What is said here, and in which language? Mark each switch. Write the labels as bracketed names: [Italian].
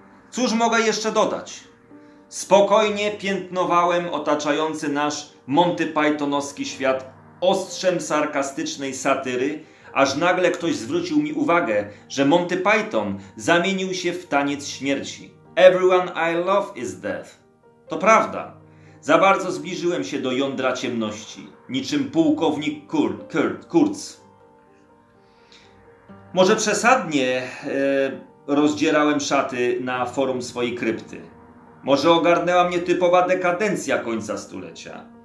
[Polish] Cóż mogę jeszcze dodać? Spokojnie piętnowałem otaczający nasz Monty Pythonowski świat ostrzem sarkastycznej satyry, aż nagle ktoś zwrócił mi uwagę, że Monty Python zamienił się w taniec śmierci. [English] Everyone I love is death. [Polish] To prawda. Za bardzo zbliżyłem się do jądra ciemności, niczym pułkownik Kurtz. Może przesadnie rozdzierałem szaty na forum swojej krypty. Może ogarnęła mnie typowa dekadencja końca stulecia.